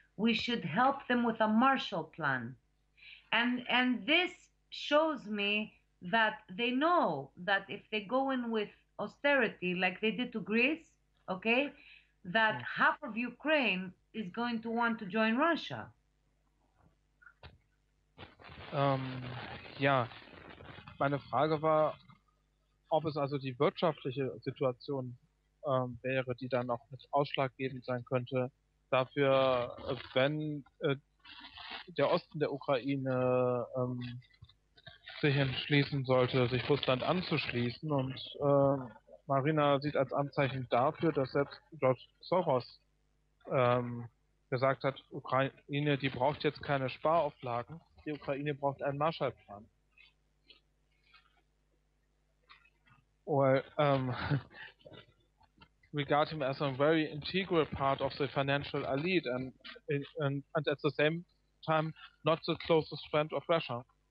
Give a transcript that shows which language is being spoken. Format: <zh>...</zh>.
<en>We should help them with a Marshall Plan. And this shows me that they know that if they go in with austerity, like they did to Greece, okay, that half of Ukraine is going to want to join Russia.</en> <de>Ja, meine Frage war, ob es also die wirtschaftliche Situation wäre, die dann auch nicht ausschlaggebend sein könnte, dafür, wenn der Osten der Ukraine sich entschließen sollte, sich Russland anzuschließen. Und Marina sieht als Anzeichen dafür, dass selbst George Soros gesagt hat, Ukraine, die braucht jetzt keine Sparauflagen, die Ukraine braucht einen Marshallplan.</de> <en>Well, regard him as a very integral part of the financial elite and at the same time not the closest friend of Russia.</en>